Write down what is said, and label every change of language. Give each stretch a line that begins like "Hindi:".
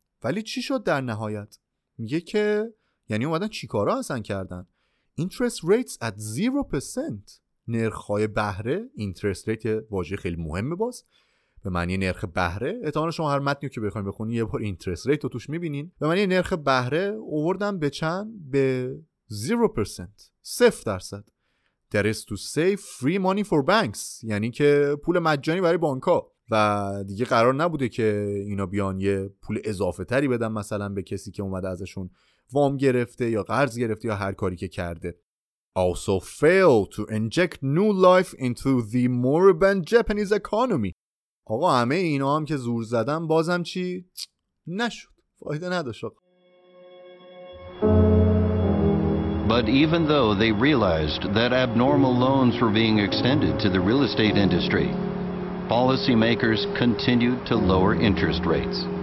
Persian: ولی چی شد در نهایت؟ میگه که یعنی اومدن چیکارا هستن کردن؟
English: interest rates at 0%،
Persian: نرخ‌های بهره، interest rate واژه خیلی مهمه باز، به معنی نرخ بهره، احتمالا شما هر متنی که بخواید بخونی یه بار interest rate رو توش می‌بینین، به معنی نرخ بهره، اووردن به چند؟ به 0%، 0%.
English: that is to say free money for banks،
Persian: یعنی که پول مجانی برای بانک‌ها، و دیگه قرار نبوده که اینا بیان یه پول اضافه تری بدن مثلا به کسی که اومده ازشون وام گرفته یا قرض گرفته یا هر کاری که کرده.
English: Also fail to inject new life into the moribund Japanese economy.
Persian: آقا همه اینا هم که زور زدن بازم چی؟ نشد. فایده نداشت.
English: But even though they realized that abnormal loans were being extended to the real estate industry, policymakers continued to lower interest rates.